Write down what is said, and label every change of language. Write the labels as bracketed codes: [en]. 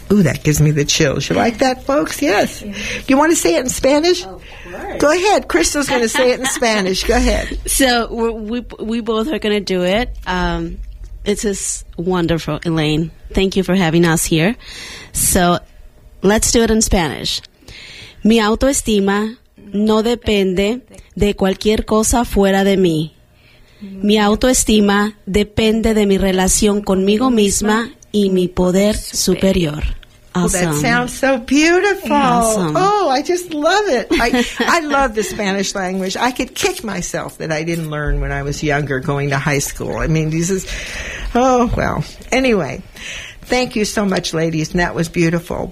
[en] Ooh, that gives me the chills. You like that, folks? Yes. You want to say it in Spanish? Of course. Go ahead. Crystal's going to say it in Spanish. Go ahead. So we both are going to do it. It's just wonderful, Elaine. Thank you for having us here. So let's do it in Spanish. [es] Mi autoestima no depende de cualquier cosa fuera de mí. Mi autoestima depende de mi relación conmigo misma y mi poder superior. [en] Awesome. Well, that sounds so beautiful. Awesome. Oh, I just love it. I love the Spanish language. I could kick myself that I didn't learn when I was younger going to high school. I mean, this is, oh, well. Anyway, thank you so much, ladies, and that was beautiful.